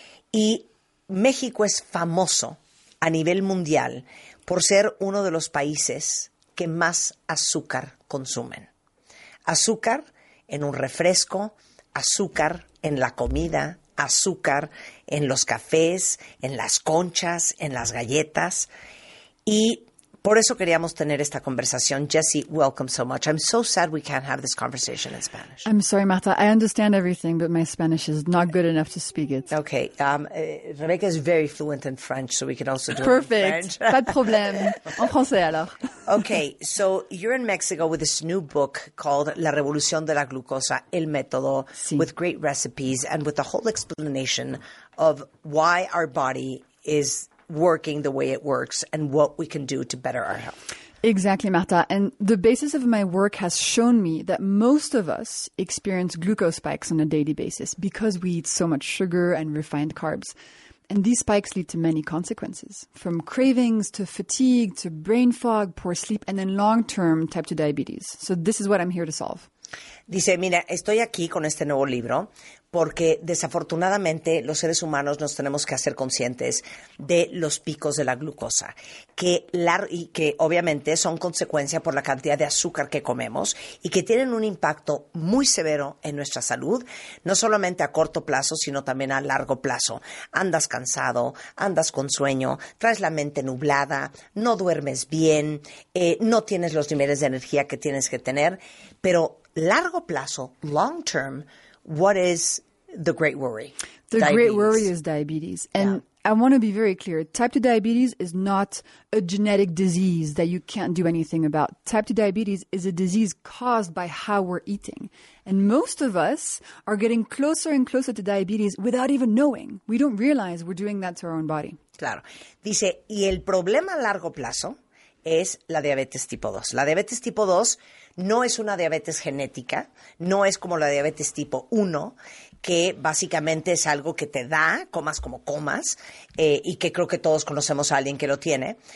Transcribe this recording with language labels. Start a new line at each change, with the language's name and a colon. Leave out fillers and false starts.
Spanish: Y México es famoso a nivel mundial por ser uno de los países que más azúcar consumen. Azúcar en un refresco, azúcar en la comida, azúcar en los cafés, en las conchas, en las galletas. Y por eso queríamos tener esta conversación. Jessie,
English: welcome so much. I'm so sad we can't have this conversation in Spanish. I'm sorry, Martha. I understand everything, but my Spanish is not good enough to speak it. Okay. Rebecca is very fluent in French, so we can also do perfect. It in French.
French: Pas de problème. En français, alors.
English: Okay. So you're in Mexico with this new book called La Revolución de la Glucosa, El Método,
Spanish: sí,
English: with great recipes and with the whole explanation of why our body is working the way it works and what we can do to better our health. Exactly, Marta. And the basis of my work has shown me that most of us experience glucose spikes on a daily basis because we eat so much sugar and refined carbs. And these spikes lead to many consequences, from cravings to fatigue to brain fog, poor sleep, and then long-term type 2 diabetes. So this is what I'm here to solve.
Spanish: Dice, mira, estoy aquí con este nuevo libro porque desafortunadamente los seres humanos nos tenemos que hacer conscientes de los picos de la glucosa, que obviamente son consecuencia por la cantidad de azúcar que comemos y que tienen un impacto muy severo en nuestra salud, no solamente a corto plazo, sino también a largo plazo. Andas cansado, andas con sueño, traes la mente nublada, no duermes bien, no tienes los niveles de energía que tienes que tener, pero largo plazo,
English: long term, what is the great worry? The diabetes. Great worry is diabetes. And yeah. I want to be very clear. Type 2 diabetes is not a genetic disease that you can't do anything about. Type 2 diabetes is a disease caused by how we're eating. And most of us are getting closer and closer to diabetes without even knowing. We don't realize we're doing that to our own body.
Spanish: Claro. Dice, y el problema a largo plazo es la diabetes tipo 2. La diabetes tipo 2 no es una diabetes genética, no es como la diabetes tipo 1, que básicamente es algo que te da, comas como comas, y que creo que todos conocemos a alguien que lo tiene.